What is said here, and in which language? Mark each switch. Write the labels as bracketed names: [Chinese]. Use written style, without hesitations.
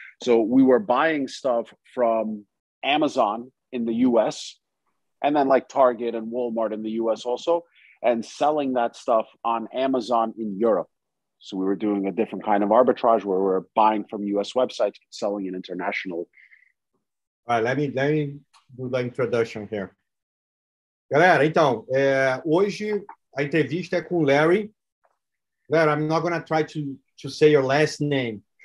[English] So we were buying stuff from Amazon in the US and then like Target and Walmart in the US also, and selling that stuff on Amazon in Europe. So we were doing a different kind of arbitrage where we're buying from US websites, selling it internationally. All right, let me do the introduction here. [Portuguese] Galera, então, hoje a entrevista é com Larry. [English] Larry, I'm not going to try to say your last name.